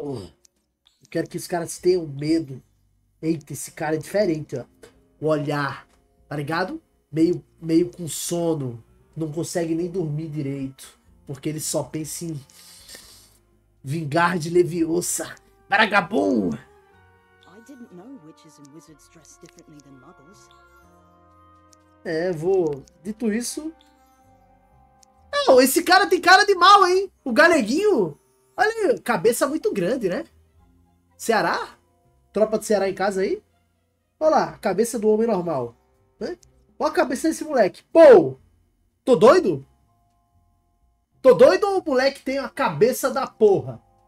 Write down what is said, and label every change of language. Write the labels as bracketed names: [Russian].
[Portuguese] Eu quero que os caras tenham medo. Eita, esse cara é diferente, ó. O olhar, tá ligado? Meio com sono. Não consegue nem dormir direito. Porque ele só pensa em vingar de Leviosa. Vagabundo! [English] Didn't know witches and wizards dressed differently than muggles. [Portuguese] É, vou. Dito isso. Não, esse cara tem cara de mal, hein? O galeguinho. Olha aí, cabeça muito grande, né? Ceará? Tropa de Ceará em casa aí? Olha lá, cabeça do homem normal. Né? Olha a cabeça desse moleque. Pô! Tô doido? Tô doido ou o moleque tem a cabeça da porra?